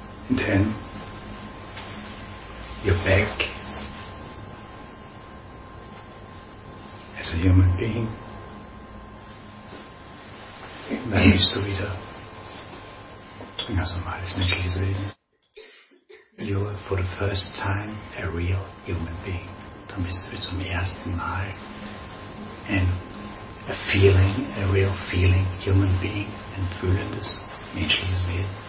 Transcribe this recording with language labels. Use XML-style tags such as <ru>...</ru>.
<en>Then you're back as a human being.</en> <de>Dann bist du wieder ein ganz normales menschliches Leben.</de> <en>You're for the first time a real human being.</en> <de>Dann bist du zum ersten Mal ein</de> <en>real feeling human being,</en> <de>ein fühlendes menschliches Leben.</de>